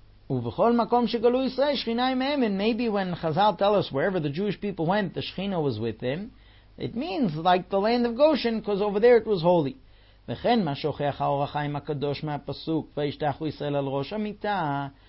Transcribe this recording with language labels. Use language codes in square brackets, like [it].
[he] ובכל מקום שגלו ישראל, שכינה עמהם. [en] And maybe when Chazal tell us wherever the Jewish people went, the Shekhinah was with them, it means like the land of Goshen, because over there it was holy. [he] וכן מה שוכח האור החיים הקדוש מהפסוק, וישתחו ישראל על ראש המיטה.